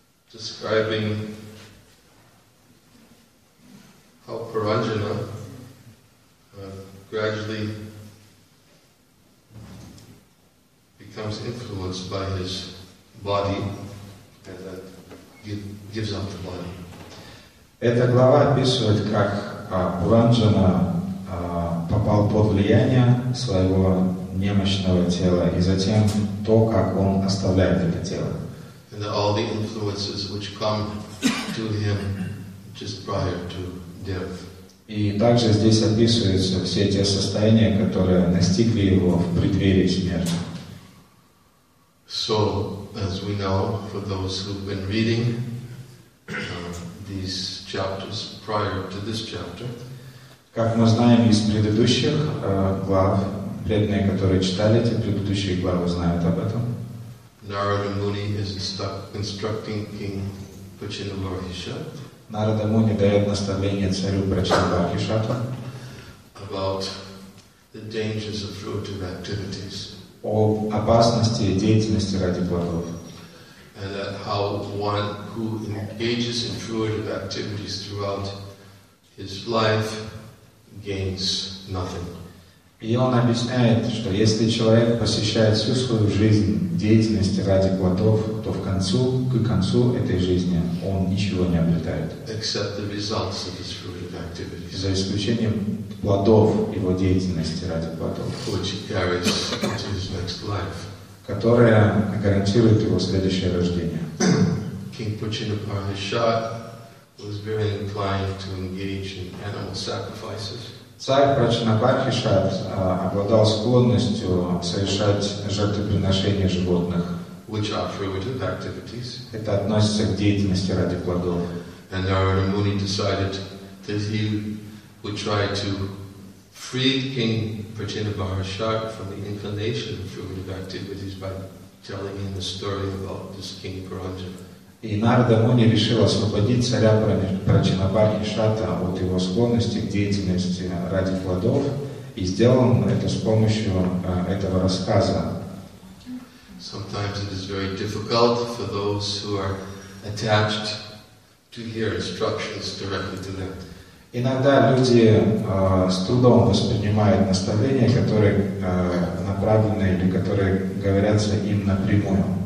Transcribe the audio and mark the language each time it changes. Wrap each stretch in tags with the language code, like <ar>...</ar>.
<en>Describing how Paranjana gradually becomes influenced by his body and that gives up the body.</en> <ru>Эта глава описывает, как Паранджана попал под влияние своего немощного тела и затем то, как он оставляет это тело.</ru> <en>And all the influences which come to him just prior to death.</en> <ru>И также здесь описываются все те состояния, которые настигли его в преддверии смерти.</ru> <en>So, as we know, for those who've been reading these chapters prior to this chapter,</en> <ru>как мы знаем из предыдущих глав, преданные, которые читали эти предыдущие главы, знают об этом.</ru> <en>Narada Muni is instructing King Pichinamahisha.</en> <ru>Narada Muni дает наставление царю Брачинамахишату</ru> <en>about the dangers of fruitive activities.</en> <ru>О опасности деятельности ради плодов.</ru> <en>And that how one who engages in fruitive activities throughout his life gains nothing.</en> <ru>И он объясняет, что если человек посвящает всю свою жизнь деятельности ради плодов, то к концу этой жизни он ничего не обретает.</ru> <en>Except the results of his fruitive activities.</en> <ru>За исключением плодов его деятельности ради плодов,</ru> <en>which he carries into his next life.</en> <ru>Которая гарантирует его следующее рождение.</ru> <en>King Pichinamahisat was very inclined to engage in animal sacrifices.</en> <ru>Царь Прачинапархишат обладал склонностью совершать жертвоприношения животных.</ru> <en>Which are fruitive activities.</en> <ru>Это относится к деятельности ради плодов.</ru> <en>And Narada Muni decided that he would try to free King Prachinabharashat from the inclination of fruitive activities by telling him the story about this King Paranjana.</en> <ru>И Нарада Муни решил освободить царя Прачинабархишата от его склонности к деятельности ради плодов, и сделал это с помощью этого рассказа.</ru> <en>Sometimes it is very difficult for those who are attached to hear instructions directly to them.</en> <ru>Иногда люди с трудом воспринимают наставления, которые направлены или которые говорятся им напрямую.</ru>